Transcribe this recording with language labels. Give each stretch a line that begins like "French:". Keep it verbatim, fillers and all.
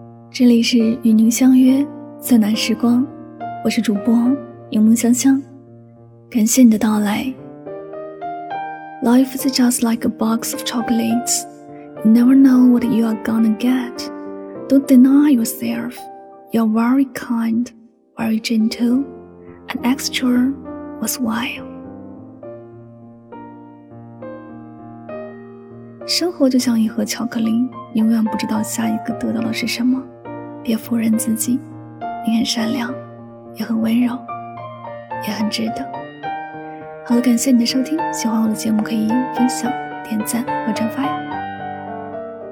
Chinese: 这里是与您相约最暖时光，我是主播柠檬香香，感谢你的到来。
English: Life is just like a box of chocolates. You never know what you are gonna get. Don't deny yourself. You're very kind, very gentle, and extra worthwhile.
Chinese: 生活就像一盒巧克力，你永远不知道下一个得到的是什么。别否认自己，你很善良，也很温柔，也很值得。好了，感谢你的收听，喜欢我的节目可以分享、点赞和转发呀。